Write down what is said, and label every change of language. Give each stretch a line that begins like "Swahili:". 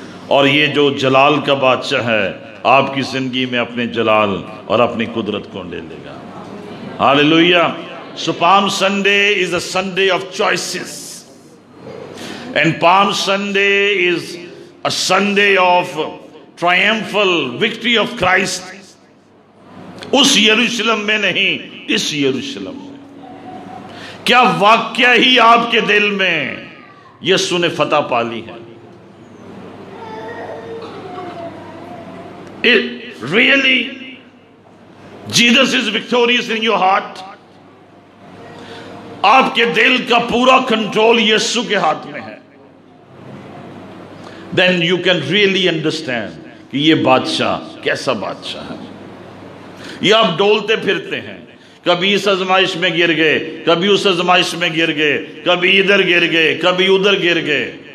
Hindi: और ये जो जलाल का बादशाह है आपकी जिंदगी में अपने जलाल और अपनी कुदरत को ले लेगा। Hallelujah.
English: So Palm Sunday is a Sunday of choices, and Palm Sunday is a Sunday of triumphal victory of Christ.
Hindi: उस यरूशलम में नहीं, इस यरूशलम में। क्या वाक्य ही आपके दिल में यीशु ने फतह पा ली है?
English: It really, Jesus is victorious in your heart.
Hindi: आपके दिल का पूरा कंट्रोल यीशु के हाथ में है।
English: then you can really understand
Hindi: कि ये बादशाह कैसा बादशाह है। ये आप डोलते फिरते हैं, कभी इस आजमाइश में गिर गए, कभी उस आजमाइश में गिर गए, कभी इधर गिर गए, कभी उधर गिर गए।